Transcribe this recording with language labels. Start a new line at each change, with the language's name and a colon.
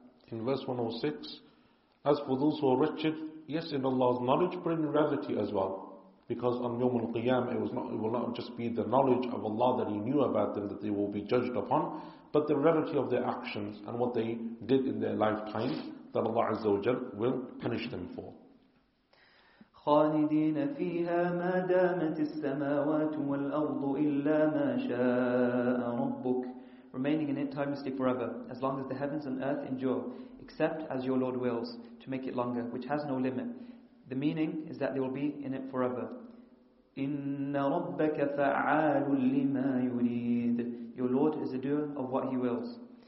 English: In verse 106, as for those who are wretched, yes, in Allah's knowledge, but in reality as well. Because on Yawm al-Qiyam, it will not just be the knowledge of Allah that He knew about them that they will be judged upon, but the reality of their actions and what they did in their lifetime that Allah Azza wa Jal will punish them for.
Arabic: خالدين فيها ما دامت السماوات والأرض إلا ما شاء ربك.
English: Remaining in it timelessly forever, as long as the heavens and earth endure, except as your Lord wills, to make it longer, which has no limit. The meaning is that they will be in it forever.
Arabic: إن ربك فعال لما يريد.
English: Your Lord is a doer of what He wills.